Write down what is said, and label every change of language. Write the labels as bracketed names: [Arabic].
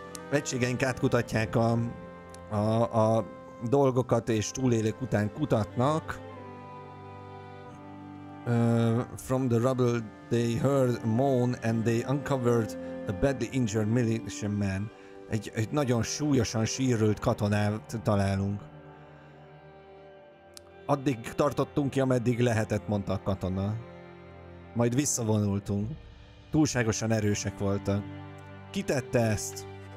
[Hungarian] Egységeink átkutatják a dolgokat, és túlélők után kutatnak. [English] From the rubble they heard moan and they uncovered a badly injured militiaman. [Hungarian] Egy nagyon súlyosan sérült katonát találunk. Addig tartottunk ki, ameddig lehetett, mondta a katona. Majd visszavonultunk. Túlságosan erősek voltak. Kitette ezt?